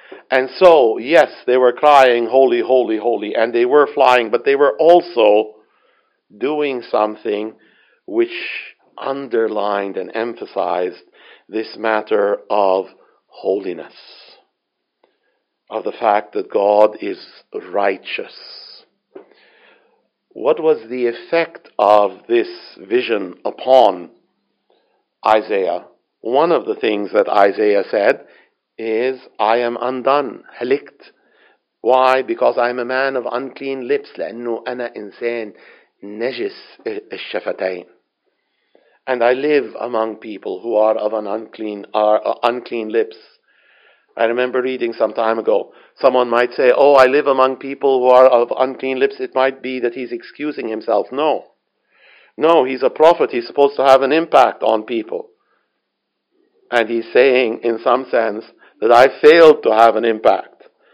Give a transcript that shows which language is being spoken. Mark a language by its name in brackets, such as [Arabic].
[English] And so, yes, they were crying, "Holy, holy, holy," and they were flying, but they were also doing something which underlined and emphasized this matter of holiness, of the fact that God is righteous. What was the effect of this vision upon Isaiah? One of the things that Isaiah said is, "I am undone, helikt." Why? Because I am a man of unclean lips. [Arabic] لأنه أنا إنسان نجس الشفتين. [English] And I live among people who are of an unclean lips. I remember reading some time ago, someone might say, "Oh, I live among people who are of unclean lips." It might be that he's excusing himself. No. No, he's a prophet. He's supposed to have an impact on people. And he's saying, in some sense, that I failed to have an impact.